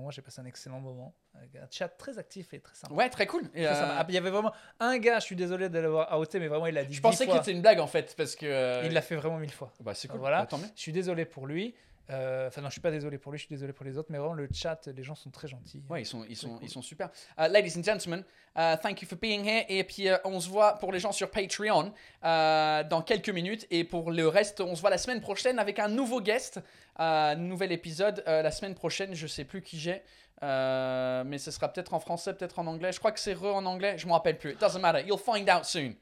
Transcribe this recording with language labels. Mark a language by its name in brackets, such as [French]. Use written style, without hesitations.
[French] Moi, j'ai passé un excellent moment. Un chat très actif et très sympa. Ouais, très cool. Il y avait vraiment un gars, je suis désolé de l'avoir outé, mais vraiment, il l'a dit 10 fois. Je pensais que c'était une blague en fait, parce que... Il l'a fait vraiment 1,000 fois. Bah c'est cool, voilà. Bah, tant mieux. Je suis désolé pour lui. Enfin non, je suis pas désolé pour lui, je suis désolé pour les autres, mais vraiment le chat, les gens sont très gentils. Ouais, ils sont super. [English] Ladies and gentlemen, thank you for being here. [French] Et puis on se voit pour les gens sur Patreon dans quelques minutes, et pour le reste, on se voit la semaine prochaine avec un nouveau guest, nouvel épisode la semaine prochaine. Je sais plus qui j'ai. Mais ce sera peut-être en français, peut-être en anglais. Je crois que c'est re en anglais. Je m'en rappelle plus. [English] It doesn't matter. You'll find out soon.